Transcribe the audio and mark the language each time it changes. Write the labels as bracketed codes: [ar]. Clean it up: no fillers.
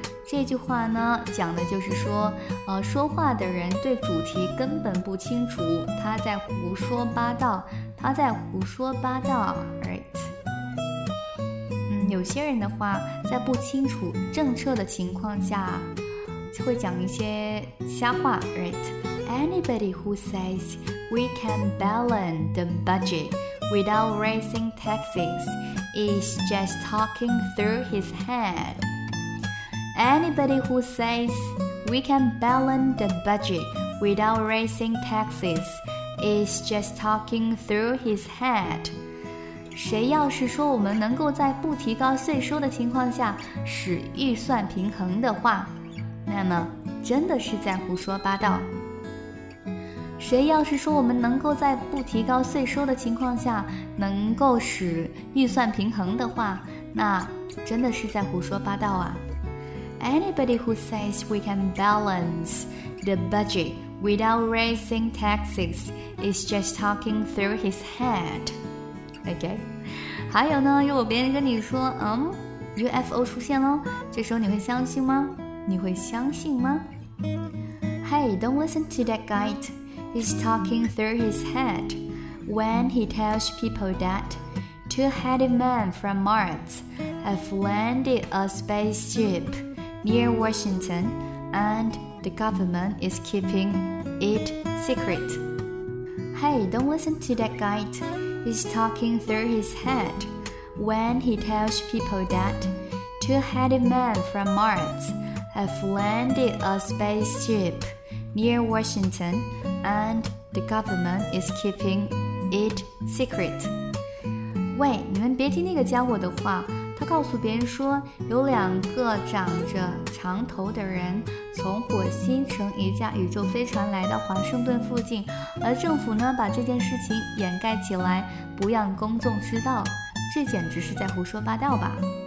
[zh] 这句话呢，讲的就是说，说话的人对主题根本不清楚，他在胡说八道。他在胡说八道 ，right？有些人的话，在不清楚正确的情况下，会讲一些瞎话 ，right？ [en] Anybody who says we can balance the budget without raising taxes is just talking through his head. Anybody who says we can balance the budget without raising taxes. Is just talking through his head. [zh] 谁要是说我们能够在不提高税收的情况下使预算平衡的话，那么真的是在胡说八道。谁要是说我们能够在不提高税收的情况下能够使预算平衡的话，那真的是在胡说八道啊。 [en] Anybody who says we can balance the budget. Without raising taxes, is just talking through his head. Okay. [zh] 还有呢，如果别人跟你说，UFO 出现了，这时候你会相信吗？你会相信吗？ [en] Hey, don't listen to that guy. He's talking through his head when he tells people that two-headed men from Mars have landed a spaceship near Washington and. The government is keeping it secret. Hey, don't listen to that guy. He's talking through his head when he tells people that two-headed men from Mars have landed a spaceship near Washington and the government is keeping it secret. [zh] 喂，你们别听那个家伙的话，他告诉别人说有两个长着长头的人从火星乘一架宇宙飞船来到华盛顿附近，而政府呢把这件事情掩盖起来不让公众知道，这简直是在胡说八道吧。